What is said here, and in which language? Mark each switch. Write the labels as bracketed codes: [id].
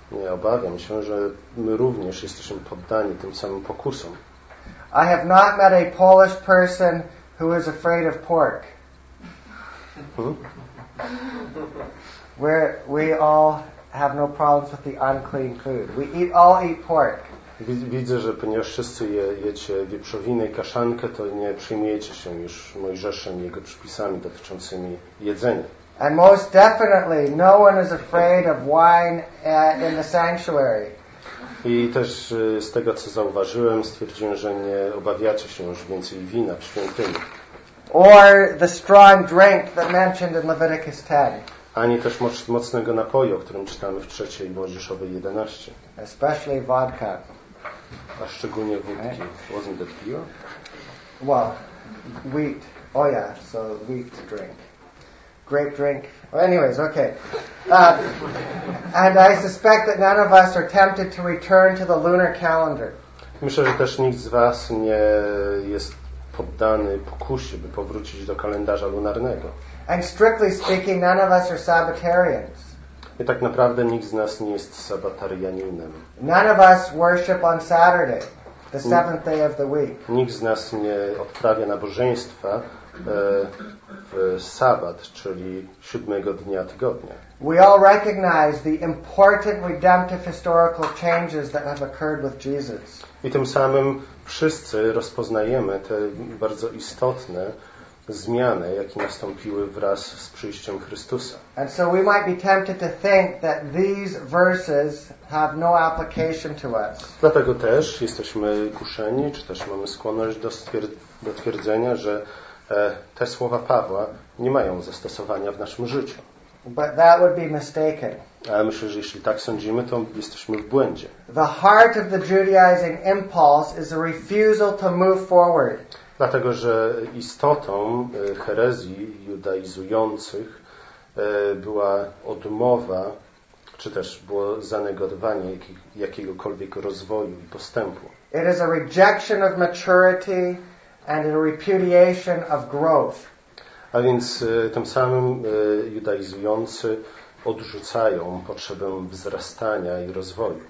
[pl] Obawiam się, że my również jesteśmy poddani tym samym pokusom. [en] I have not met a Polish person who is afraid of pork. We all have no problems with the unclean food. We all eat pork. [pl] Widzę, że ponieważ wszyscy jecie wieprzowinę i kaszankę, to nie przyjmiecie się już Mojżeszem i jego przepisami dotyczącymi jedzenia. [en] And most definitely no one is afraid of wine in the sanctuary. [pl] I też z tego, co zauważyłem, stwierdziłem, że nie obawiacie się już więcej wina w świątyni. [en] Or the strong drink that mentioned in Leviticus 10. [pl] Ani też mocnego napoju, o którym czytamy w 3 Mojżeszowej 11. [en] Especially vodka. [pl] A szczególnie wódki. [en] Right. Wasn't that beer? Well, wheat. Oh yeah, so wheat drink. Great drink. Anyways, okay. And I suspect that none of us are tempted to return to the lunar calendar. [pl] Myślę, że też nikt z was nie jest poddany pokusie, by powrócić do kalendarza lunarnego. [en] And strictly speaking, none of us are Sabbatarians. [pl] I tak naprawdę nikt z nas nie jest sabbatarianinem. [en] None of us worship on Saturday, the seventh day of the week. [pl] Nikt z nas nie odprawia nabożeństwa w sabbat, czyli siódmego dnia tygodnia. [en] We all recognize the important redemptive historical changes that have occurred with Jesus. [pl] I tym samym wszyscy rozpoznajemy te bardzo istotne zmiany, jakie nastąpiły wraz z przyjściem Chrystusa. [en] And so we might be tempted to think that these verses have no application to us. [pl] Dlatego też jesteśmy kuszeni, czy też mamy skłonność do twierdzenia, że te słowa Pawła nie mają zastosowania w naszym życiu. [en] But that would be mistaken. [pl] Ale myślę, że jeśli tak sądzimy, to jesteśmy w błędzie. [en] The heart of the Judaizing impulse is a refusal to move forward. [pl] Dlatego, że istotą herezji judaizujących była odmowa, czy też było zanegowanie jakiegokolwiek rozwoju i postępu. [en] It is a rejection of maturity and a repudiation of growth. [pl] A więc tym samym judaizujący odrzucają potrzebę wzrastania i rozwoju.